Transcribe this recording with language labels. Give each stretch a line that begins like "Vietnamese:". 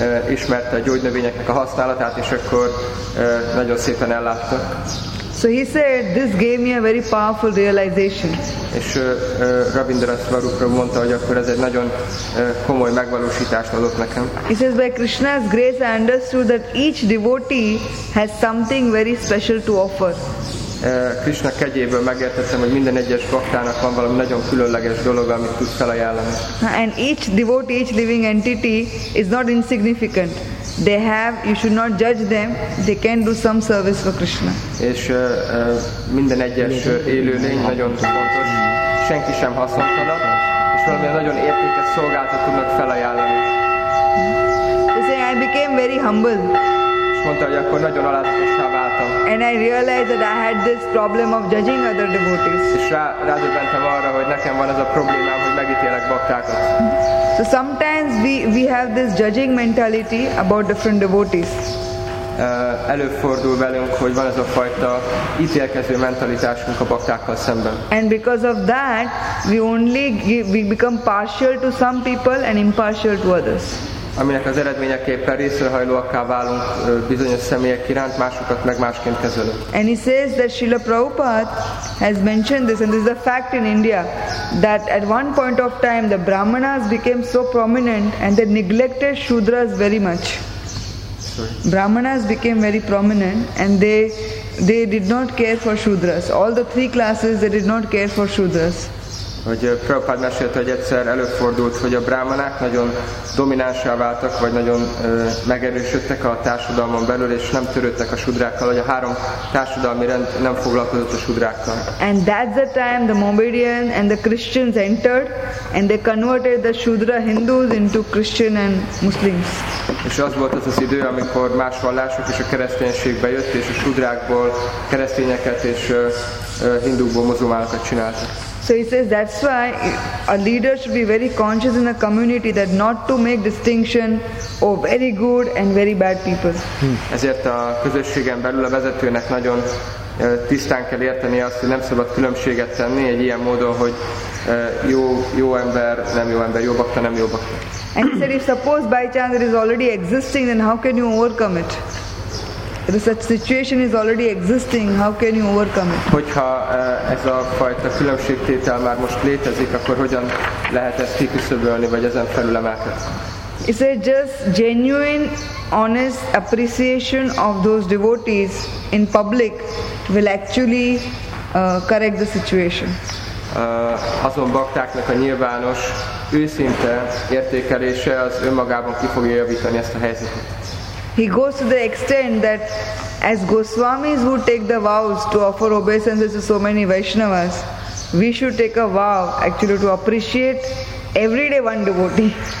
Hungarian: Ismerte a gyógynövényeknek a használatát, és akkor nagyon szépen ellátta.
English: So he said, this gave me a very powerful realization.
Hungarian: És Rabindra Swarup Prabhu mondta, hogy akkor ez egy nagyon komoly megvalósítást adott nekem.
English: He says, by Krishna's grace I understood that each devotee has something very special to offer.
Hungarian: Krishna kegyéből megértettem, hogy minden egyes baktának van valami nagyon különleges dolog, amit tud felajánlani.
English: And each devotee, each living entity is not insignificant. They have, you should not judge them, they can do some service for Krishna.
Hungarian: És minden egyes élőlény nagyon fontos, senki sem haszontalan, és valami nagyon értékes szolgálatot tudnak felajánlani.
English: They say, I became very humble.
Hungarian: És mondta, hogy akkor nagyon alázatossá váltam.
English: And I realized that I had this problem of judging other devotees.
Hungarian: És rádöbbentem arra, hogy nekem van ez a problémám, hogy megítélek baktákat.
English: So sometimes we have this judging mentality about different devotees.
Hungarian: Előfordul velünk, hogy van ez a fajta ítélkező mentalitásunk a baktákkal szemben.
English: And because of that, we become partial to some people and impartial to others.
Hungarian: Aminek az eredményeképpen részrehajlóakká válunk bizonyos személyek iránt, másokat meg másként kezelünk.
English: And he says that Srila Prabhupada has mentioned this, and this is a fact in India, that at one point of time the Brahmanas became so prominent and they neglected Shudras very much. Sorry. Brahmanas became very prominent and they did not care for Shudras. All the three classes, they did not care for Shudras.
Hungarian: Hogy Prabhupada mesélte, hogy egyszer előfordult, hogy a brámanák nagyon dominánssá váltak, vagy nagyon megerősödtek a társadalmon belül, és nem törődtek a sudrákkal, hogy a három társadalmi rend nem foglalkozott a sudrákkal.
English: And that's the time the Mohammedan and the Christians entered, and they converted the Shudra Hindus into Christian and Muslims.
Hungarian: És az volt az idő, amikor más vallások és a kereszténység bejött, és a sudrákból keresztényeket és hindúkból muzulmánokat csináltak.
English: So he says that's why a leader should be very conscious in a community that not to make distinction of very good and very bad people.
Hungarian: Ezért a közösségen belül a vezetőnek nagyon tisztán kell érteni azt, hogy nem szabad különbséget tenni egy ilyen módon, hogy jó ember, nem jó ember, jó bakta, nem jó bakta.
English: And he said, if suppose by chance it is already existing, then how can you overcome it? If such situation is already existing, how can you overcome it?
Hungarian: Hogyha ez a fajta különbségtétel már most létezik, akkor hogyan lehet ezt kiküszöbölni, vagy ezen felül emelkedni?
English: Is it just genuine, honest appreciation of those devotees in public will actually correct the situation?
Hungarian: Azon baktáknak a nyilvános, őszinte értékelése az önmagában ki fogja javítani ezt a helyzetet.
English: He goes to the extent that as Goswamis who take the vows to offer obeisances to so many Vaishnavas, we should take a vow actually to appreciate every day one devotee.